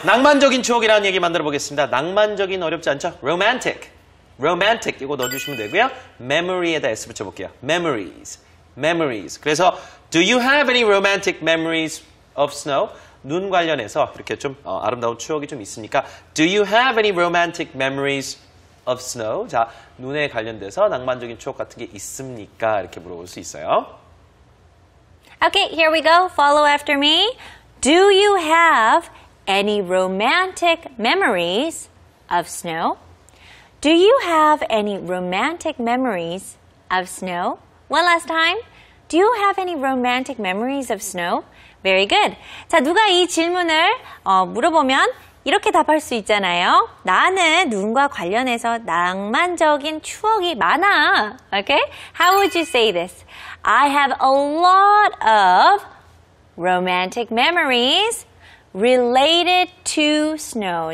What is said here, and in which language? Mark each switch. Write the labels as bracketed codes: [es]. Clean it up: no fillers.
[ko] 낭만적인 추억이라는 얘기 만들어 보겠습니다. 낭만적인 어렵지 않죠? Romantic. Romantic 이거 넣어주시면 되고요. Memory에다 S 붙여볼게요. Memories. Memories. 그래서 [en] Do you have any romantic memories of snow? [ko] 눈 관련해서 이렇게 좀 아름다운 추억이 좀 있습니까? [en] Do you have any romantic memories of snow? [ko] 자, 눈에 관련돼서 낭만적인 추억 같은 게 있습니까? 이렇게 물어볼 수 있어요. [en] Okay, here we go. Follow after me. Do you have any romantic memories of snow? Do you have any romantic memories of snow? One last time. Do you have any romantic memories of snow? Very good. [ko] 자, 누가 이 질문을 물어보면 이렇게 답할 수 있잖아요. 나는 눈과 관련해서 낭만적인 추억이 많아. Okay? [en] How would you say this? I have a lot of romantic memories related to snow.